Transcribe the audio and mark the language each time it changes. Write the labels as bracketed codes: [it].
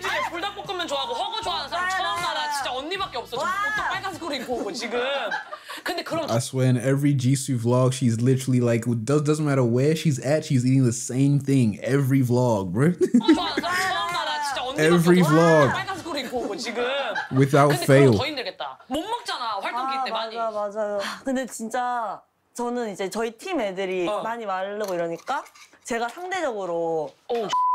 [ko] 불닭볶음면 좋아하고 허거 좋아하는 사람 처음 알아. 진짜 언니밖에 없어. 저 옷도 빨간색으로 입고 오고 지금. 근데 그럼 [en] I swear in every Jisoo vlog she's literally like doesn't matter where she's at she's eating the same thing every vlog, bro. [ko] 허거 좋아하는 사람 처음 알아. 진짜 언니밖에 [en] every [ko] 없어. [en] Vlog. [ko] 빨간색으로 입고 오고 지금. [en] Without fail. [ko] 근데 그럼 더 힘들겠다. 못 먹잖아 활동기 때 많이. 맞아요. 근데 진짜 저는 이제 저희 팀 애들이 많이 마르고 이러니까 제가 상대적으로 오